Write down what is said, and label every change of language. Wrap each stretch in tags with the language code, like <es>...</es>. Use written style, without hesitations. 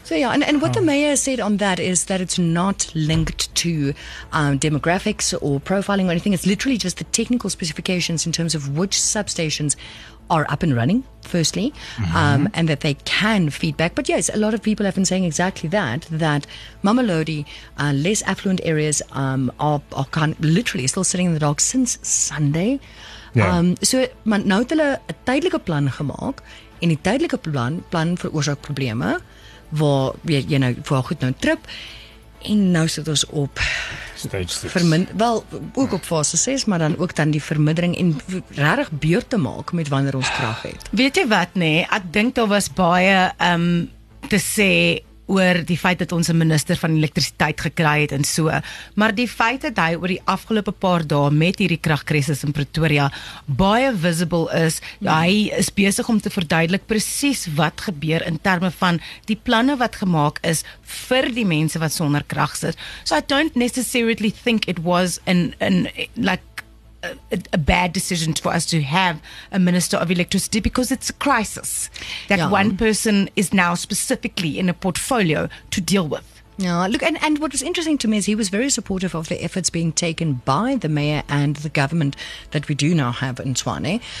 <en>So yeah, and what the mayor said on that is that it's not linked to demographics or profiling or anything. It's literally just the technical specifications in terms of which substations are up and running, firstly, and that they can feedback. But yes, a lot of people have been saying exactly that Mamelodi, less affluent areas, are literally still sitting in the dark since Sunday.</en> <af>Maar nou het hulle 'n tydelike plan gemaak, en die tydelike plan veroorsaak probleme, waar jy nou voor goed nou trip, en nou sit ons op</af> <en>stage 6.</en> <af>Ook op fase 6, maar dan ook dan die vermindering en regtig beurt te maak met wanneer ons krag het. Weet jy wat nee, ek dink daar was baie te sê oor die feit dat ons 'n minister van elektrisiteit gekry het en so, maar die feit dat hy oor die afgelope paar dae met hierdie kragkrisis in Pretoria baie visible is, hy is besig om te verduidelik presies wat gebeur in terme van die planne wat gemaak is vir die mense wat sonder krag sit.</af> <en>So I don't necessarily think it was a bad decision for us to have a minister of electricity, because it's a crisis that one person is now specifically in a portfolio to deal with. Yeah, look, and what was interesting to me is he was very supportive of the efforts being taken by the mayor and the government that we do now have in Tshwane.</en>